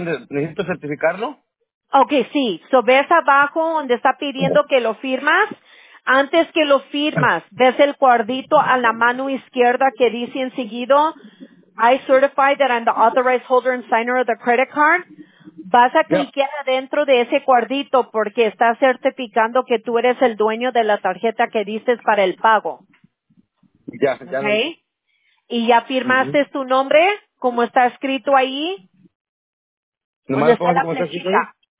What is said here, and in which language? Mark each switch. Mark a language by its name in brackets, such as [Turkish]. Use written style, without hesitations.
[Spanish] ¿Necesito certificarlo? Okay, sí. So, ¿ves abajo donde está pidiendo que lo firmas? Antes que lo firmas, ¿ves el cuadrito a la mano izquierda que dice enseguido? [English] I certify that I'm the authorized holder and signer of the credit card. [Spanish] Vas a cliquear adentro de ese cuadrito porque está certificando que tú eres el dueño de la tarjeta que dices para el pago. Ya, ya. Okay. ¿Y ya firmaste tu nombre como está escrito ahí? ¿Dónde está la flechita?